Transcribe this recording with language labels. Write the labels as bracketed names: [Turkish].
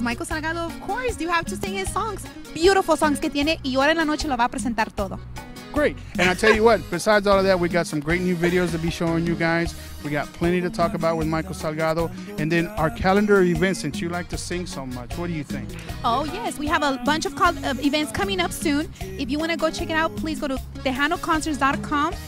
[English] Michael Salgado, of course, you have to sing his songs. Beautiful songs [Spanish] que tiene, y ahora en la noche lo va a presentar todo. [English] Great. And I tell you what, besides all of that, we got some great new videos to be showing you guys. We got plenty to talk about with Michael Salgado. And then our calendar events, since you like to sing so much, what do you think? Oh, yes. We have a bunch of events coming up soon. If you want to go check it out, please go to TejanoConcerts.com.